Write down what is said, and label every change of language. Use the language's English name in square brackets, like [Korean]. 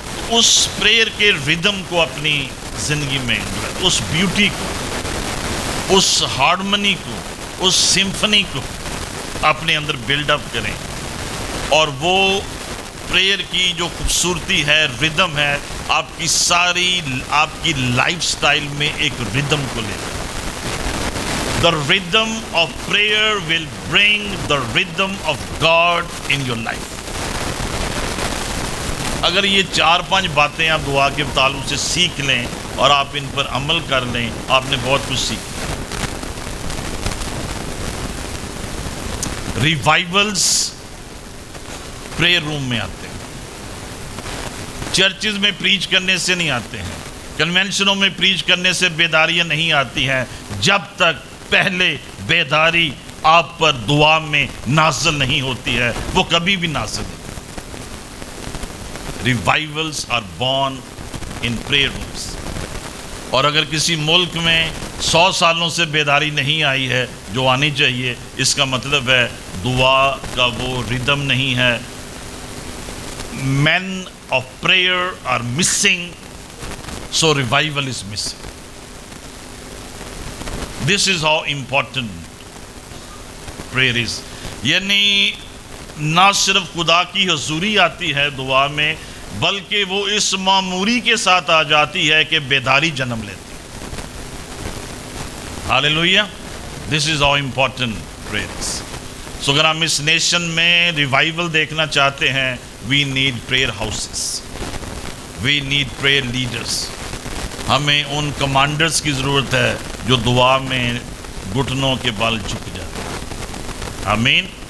[Urdu] اس prayer کے rhythm کو اپنی زندگی میں، اس بیوٹی کو، اس ہارمنی کو، اس سمفنی کو اپنے اندر بلڈ اپ کریں، اور وہ پریئر کی جو خوبصورتی ہے، ریدم ہے، آپ کی ساری آپ کی لائف سٹائل میں ایک ریدم کو لے. [English] The rhythm of prayer will bring the rhythm of God in your life. [Urdu] اگر یہ چار پانچ باتیں آپ دعا کے تعلق سے سیکھ لیں اور آپ ان پر عمل کر لیں، آپ نے بہت کچھ سیکھ. ریوائولز پریئر روم میں آتے ہیں، چرچز میں پریچ کرنے سے نہیں آتے ہیں، کنونشنوں میں پریچ کرنے سے بیداریاں نہیں آتی ہیں جب تک پہلے بیداری آپ پر دعا میں نازل نہیں ہوتی ہے، وہ کبھی بھی نازل نہیں. [English] Revivals are born in prayer rooms. [Urdu] اور اگر کسی ملک میں 100 سالوں سے بیداری نہیں آئی ہے جو آنی چاہیے، اس کا مطلب ہے دعا کا وہ ریدم نہیں ہے. [English] Men of prayer are missing, so revival is missing. This is how important prayer is. [Urdu] یعنی نہ صرف خدا کی حضوری آتی ہے دعا میں، بلکہ وہ اس معموری کے ساتھ آ جاتی ہے کہ بیداری جنم لیتی. Hallelujah. [English] This is how important prayer is. [Urdu] So اگر ہم اس نیشن میں ریوائول دیکھنا چاہتے ہیں، [English] we need prayer houses. We need prayer leaders. [Urdu] ہمیں ان کمانڈرز کی ضرورت ہے جو دعا میں گھٹنوں کے بال جھک جاتے ہیں. آمین.